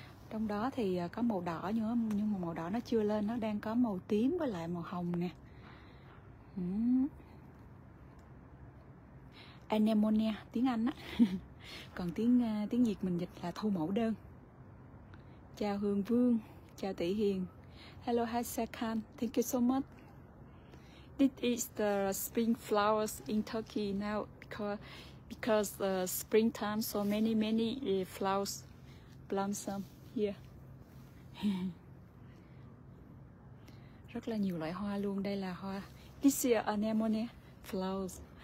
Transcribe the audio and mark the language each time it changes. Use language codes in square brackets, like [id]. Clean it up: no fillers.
[vi] Trong đó thì có màu đỏ nhưng mà màu đỏ nó chưa lên, nó đang có màu tím với lại màu hồng nè. Anemone tiếng Anh á. Còn tiếng Việt mình dịch là thu mẫu đơn. Chào Hương Vương, chào Tỷ Hiền. [en] Hello Hasekhan, thank you so much. This is the spring flowers in Turkey now because the springtime so many flowers blossom here. [vi] Rất là nhiều loại hoa luôn, đây là hoa. [en] This is anemone flowers.